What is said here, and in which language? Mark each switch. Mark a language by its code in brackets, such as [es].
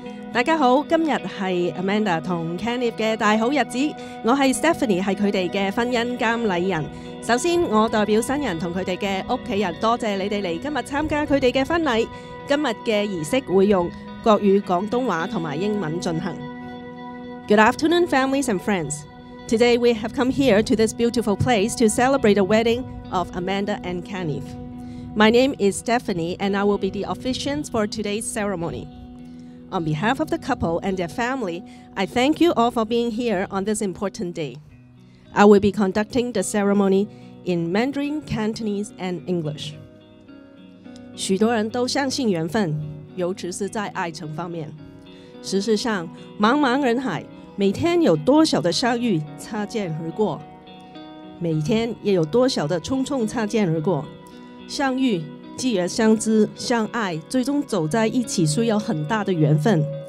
[zh] 大家好，今日是 Amanda 和 Kenneth 的大好日子。我是 Stephanie， 是他们的婚姻监理人。首先，我代表新人和他们的家人，多谢你们来今天参加他们的婚礼。今日的仪式会用国语、广东话和英文进行。 [en] Good afternoon, families and friends. Today we have come here to this beautiful place to celebrate the wedding of Amanda and Kenneth. My name is Stephanie, and I will be the officiant for today's ceremony. On behalf of the couple and their family, I thank you all for being here on this important day. I will be conducting the ceremony in Mandarin, Cantonese, and English. [zh] 许多人都相信缘分，尤其是在爱情方面。事实上，茫茫人海，每天有多少的相遇擦肩而过，每天也有多少的匆匆擦肩而过。相遇、既然相知、相爱，最终走在一起需要很大的缘分。